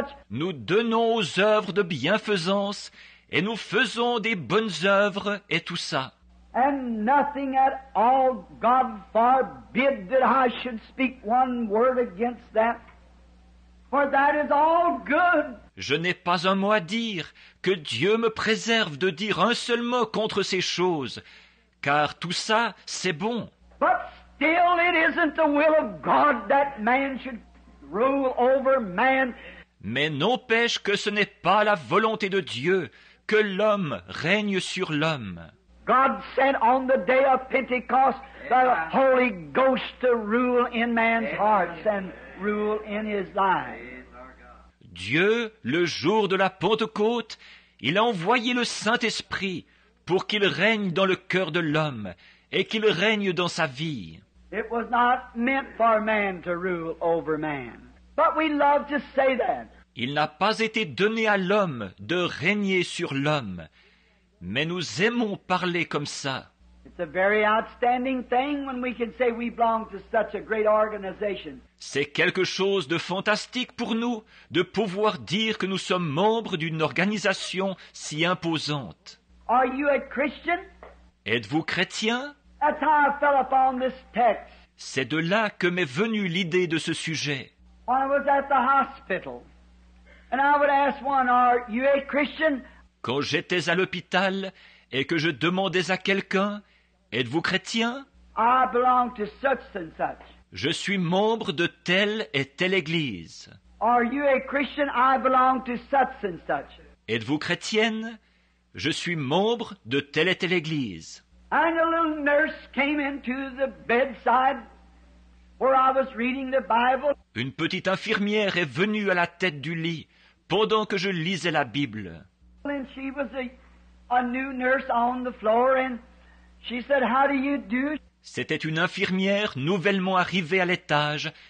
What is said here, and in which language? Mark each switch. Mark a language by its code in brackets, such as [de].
[fr] Nous donnons aux œuvres de bienfaisance et nous faisons des bonnes œuvres et tout ça. [en] And nothing at all, God forbid that I should speak one word against that. For that is all good. [fr] Je n'ai pas un mot à dire, que Dieu me préserve de dire un seul mot contre ces choses, car tout ça, c'est bon. [en] But still it isn't the will of God that man should rule over man. [fr] Mais n'empêche que ce n'est pas la volonté de Dieu que l'homme règne sur l'homme. [en] God sent on the day of Pentecost the Holy Ghost to rule in man's hearts and rule in his life. [fr] Dieu, le jour de la Pentecôte, il a envoyé le Saint-Esprit pour qu'il règne dans le cœur de l'homme et qu'il règne dans sa vie. [en] It was not meant for man to rule over man. But we love to say that. [fr] Il n'a pas été donné à l'homme de régner sur l'homme, mais nous aimons parler comme ça. [en] It's a very outstanding thing when we can say we belong to such a great organization. [fr] C'est quelque chose de fantastique pour nous de pouvoir dire que nous sommes membres d'une organisation si imposante. [en] Are you a Christian? [fr] Êtes-vous chrétien? [en] That's how I fell upon this text. [fr] C'est de là que m'est venue l'idée de ce sujet. [en] I was at the hospital, and I would ask one, "Are you a Christian?" [fr] Quand j'étais à l'hôpital et que je demandais à quelqu'un, êtes-vous chrétien? [en] I belong to such and such. [fr] Je suis membre de telle et telle église. [en] Are you a Christian? I belong to such and such. [fr] Êtes-vous chrétienne? Je suis membre de telle et telle église. [en] And a little nurse came into the bedside where I was reading the Bible. [fr] Une petite infirmière est venue à la tête du lit pendant que je lisais la Bible. [en] And she was a new nurse on the floor and she said, "How do you do?" [fr] C'était une infirmière nouvellement arrivée à l'étage.